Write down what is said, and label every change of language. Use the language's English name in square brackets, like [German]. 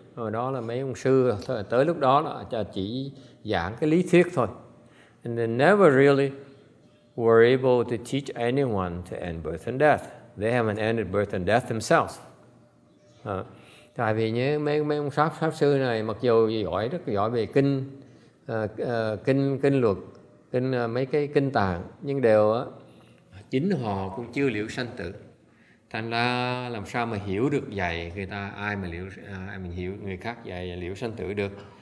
[Vietnamese] Hồi đó là mấy ông sư tới lúc đó là chỉ giảng cái lý thuyết thôi. [English] And they never really were able to teach anyone to end birth and death. They haven't ended birth and death themselves. [Vietnamese] Tại vì nhớ mấy ông pháp sư này mặc dù giỏi rất giỏi về kinh kinh luật, kinh mấy cái kinh tạng, nhưng đều chính họ cũng chưa liệu sanh tử. Thành ra làm sao mà hiểu được dạy người ta, ai mà liệu ai mình hiểu người khác dạy liệu sanh tử được.